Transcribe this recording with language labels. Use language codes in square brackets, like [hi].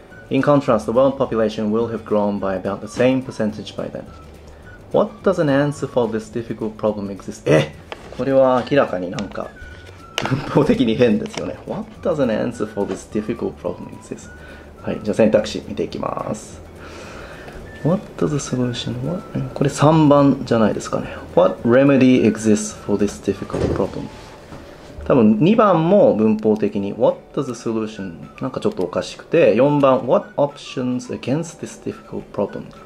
[en] In contrast, the world population will have grown by about the same percentage by then. What does an answer for this difficult problem exist? [ja] これは明らかになんか文法的に変ですよね。 [en] What does an answer for this difficult problem exist? [ja] はい、じゃあ選択肢見ていきます。 [en] What does the solution? What? [ja] これ3番じゃないですかね。 [en] What remedy exists for this difficult problem? [ja] 多分2番も文法的に [en] What does the solution? [ja] なんかちょっとおかしくて、4番 [en] What options against this difficult problem?